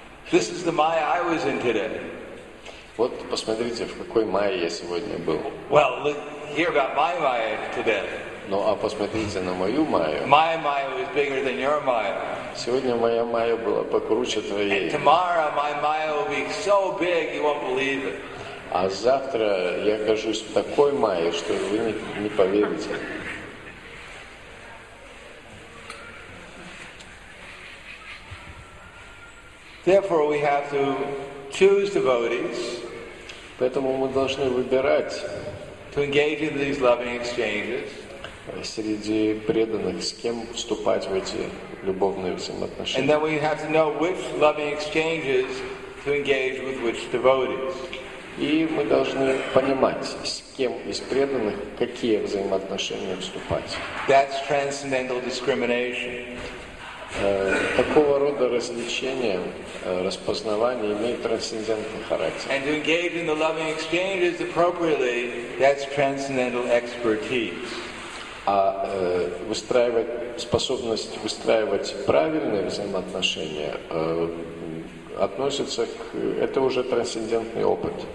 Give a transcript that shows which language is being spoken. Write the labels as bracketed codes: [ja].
[en] This is the Maya I was in today. [ru] Вот посмотрите, в какой Майе я сегодня был. [en] Well, look, hear about my Maya today. [ru] Ну а посмотрите на мою Майю. [en] My Maya was bigger than your Maya. [ru] Сегодня моя Майя была покруче твоей. [en] And tomorrow my Maya will be so big you won't believe it. [ru] А завтра я окажусь в такой Майе, что вы не поверите. [en] Therefore, we have to choose devotees. [ru] Поэтому мы должны выбирать. [en] To engage in these loving exchanges. [ru] Среди преданных, с кем вступать в эти любовные взаимоотношения. [en] And then we have to know which loving exchanges to engage with which devotees. [ru] И мы должны понимать, с кем из преданных какие взаимоотношения вступать. [en] That's transcendental discrimination. [ru] Такого рода развлечения, распознавания имеют трансцендентный характер. [en] And to engage in the loving exchanges appropriately, that's transcendental expertise. [ru] А выстраивать, способность выстраивать правильные взаимоотношения относится к, это уже трансцендентный опыт.